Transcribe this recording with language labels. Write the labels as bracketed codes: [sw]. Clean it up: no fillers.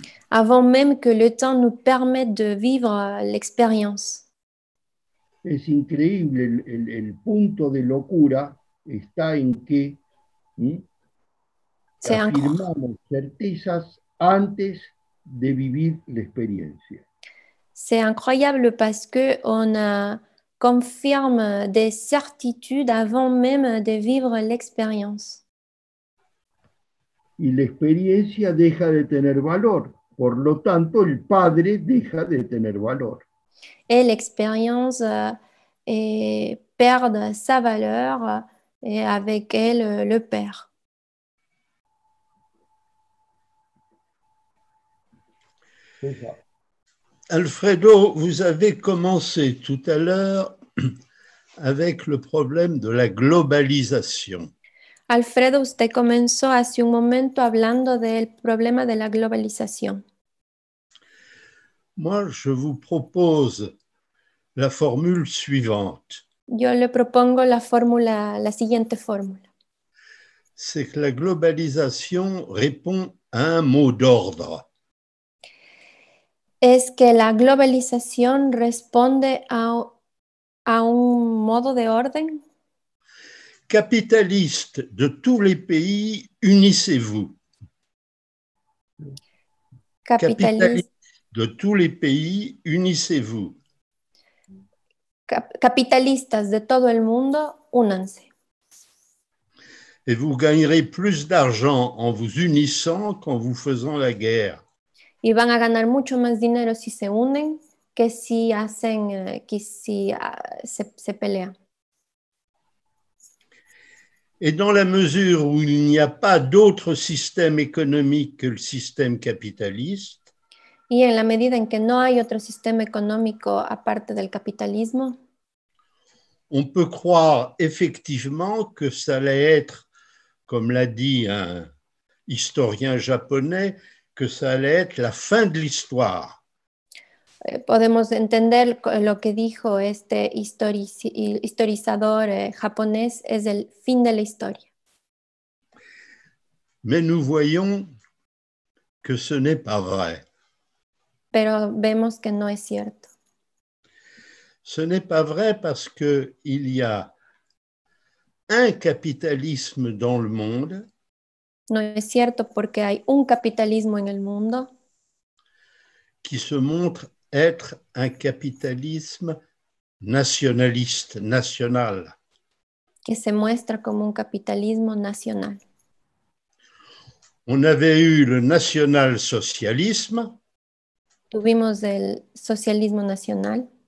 [fr] Avant même que le temps nous permette de vivre l'expérience. [es] Es increíble, el punto de locura está en que afirmamos certezas antes de vivir la experiencia. [fr] C'est incroyable parce que on a confirme des certitudes avant même de vivre l'expérience. [es] Y la experiencia deja de tener valor, por lo tanto el padre deja de tener valor. [fr] Et l'expérience perd sa valeur et avec elle le père. Alfredo, vous avez commencé tout à l'heure avec le problème de la globalisation. [es] Alfredo, usted comenzó hace un momento hablando del problema de la globalización. [fr] Moi, je vous propose la formule suivante. [es] Yo le propongo la fórmula, la siguiente fórmula. [fr] C'est que la globalisation répond à un mot d'ordre. [es] Es que la globalización responde a un modo de orden. [fr] Capitalistes de tous les pays, unissez-vous. Capitalistes de tous les pays, unissez-vous. [es] Capitalistas de todo el mundo, únanse. [fr] Et vous gagnerez plus d'argent en vous unissant qu'en vous faisant la guerre. [es] Y van a ganar mucho más dinero si se unen que si hacen que si se pelean. [fr] Et dans la mesure où il n'y a pas d'autre système économique que le système capitaliste. [es] Y en la medida en que no hay otro sistema económico aparte del capitalismo. [fr] On peut croire effectivement que ça allait être, comme l'a dit un historien japonais, que ça allait être la fin de l'histoire. [es] Podemos entender lo que dijo este historiador japonés, es el fin de la historia. [fr] Mais nous voyons que ce n'est pas vrai. [es] Pero vemos que no es cierto. [fr] Ce n'est pas vrai parce qu'il y a un capitalisme dans le monde. [es] No es cierto porque hay un capitalismo en el mundo. [fr] Qui se montre être un capitalisme nationaliste, national. [es] Que se muestra como un capitalismo nacional. [fr] On avait eu le national-socialisme. [es] Tuvimos el socialismo nacional.